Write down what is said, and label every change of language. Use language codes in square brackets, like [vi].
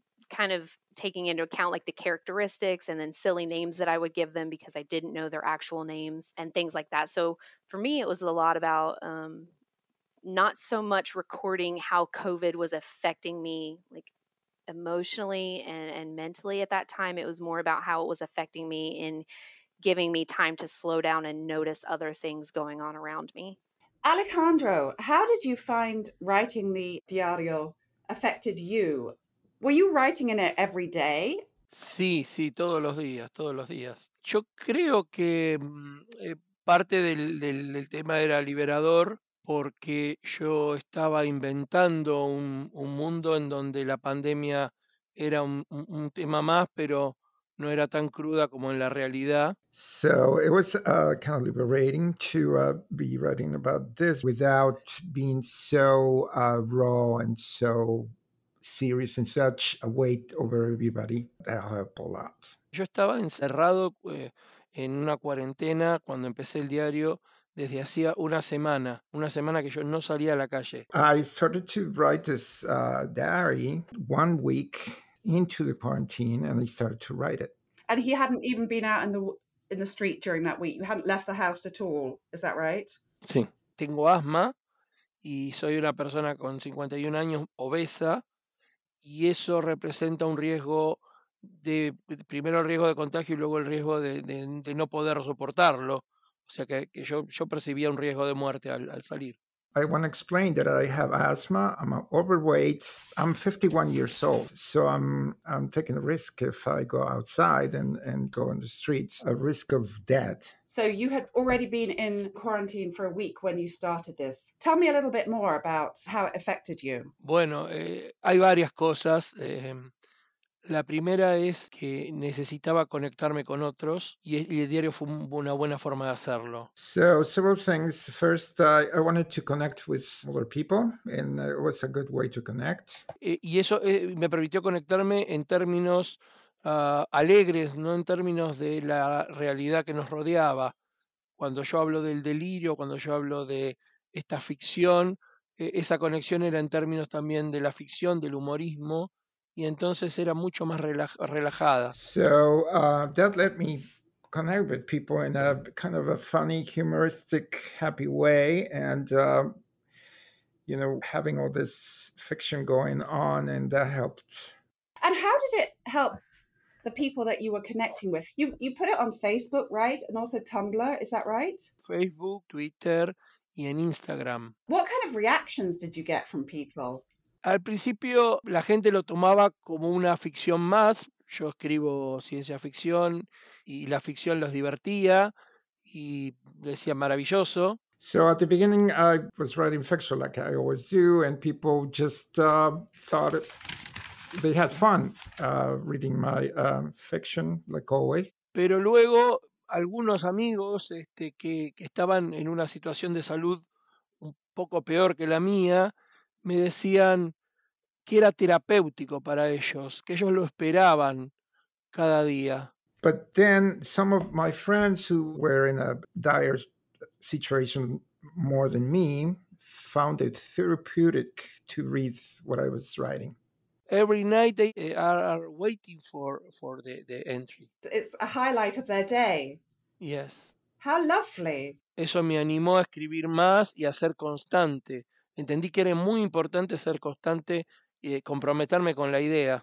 [en] kind of taking into account like the characteristics and then silly names that I would give them because I didn't know their actual names and things like that. So for me, it was a lot about not so much recording how COVID was affecting me like emotionally and mentally at that time. It was more about how it was affecting me in giving me time to slow down and notice other things going on around me. Alejandro, how did you find writing the diario affected you? Were you writing in it every day? [es] Sí, sí, todos los días, todos los días. Yo creo que parte del tema era liberador porque yo estaba inventando un mundo en donde la pandemia era un tema más, pero no era tan cruda como en la realidad. [en] So it was kind of liberating to be writing about this without being so raw and so serious and such a weight over everybody. That helped a lot. [es] Yo estaba encerrado en una cuarentena cuando empecé el diario desde hacía una semana que yo no salía a la calle. [en] I started to write this diary 1 week into the quarantine and I started to write it. And he hadn't even been out in the street during that week. You hadn't left the house at all. Is that right? [es] Sí. Tengo asma y soy una persona con 51 años obesa y eso representa un riesgo de primero el riesgo de contagio y luego el riesgo de no poder soportarlo. O sea que yo percibía un riesgo de muerte al salir. [en] I want to explain that I have asthma, I'm overweight, I'm 51 years old, so I'm taking a risk if I go outside and go on the streets, a risk of death. So you had already been in quarantine for a week when you started this. Tell me a little bit more about how it affected you. [es] Bueno, hay varias cosas. La primera es que necesitaba conectarme con otros y el diario fue una buena forma de hacerlo. [en] So, several things. First, I wanted to connect with other people and it was a good way to connect. [es] Y eso me permitió conectarme en términos alegres, no en términos de la realidad que nos rodeaba. Cuando yo hablo del delirio, cuando yo hablo de esta ficción, esa conexión era en términos también de la ficción, del humorismo. Y entonces era mucho más relajada. [en] So that let me connect with people in a kind of a funny, humoristic, happy way. And, you know, having all this fiction going on, and that helped. And how did it help the people that you were connecting with? You put it on Facebook, right? And also Tumblr, is that right? [es] Facebook, Twitter, y en Instagram. [en] What kind of reactions did you get from people? [es] Al principio la gente lo tomaba como una ficción más. Yo escribo ciencia ficción y la ficción los divertía y decía maravilloso. [en] So at the beginning I was writing fiction like I always do and people just thought they had fun reading my fiction like always. [es] Pero luego algunos amigos que estaban en una situación de salud un poco peor que la mía me decían que era terapéutico para ellos, que ellos lo esperaban cada día. [en] But then some of my friends who were in a dire situation more than me found it therapeutic to read what I was writing. Every night they are waiting for the entry. It's a highlight of their day. Yes. How lovely. [es] Eso me animó a escribir más y a ser constante. Entendí que era muy importante ser constante y comprometerme con la idea.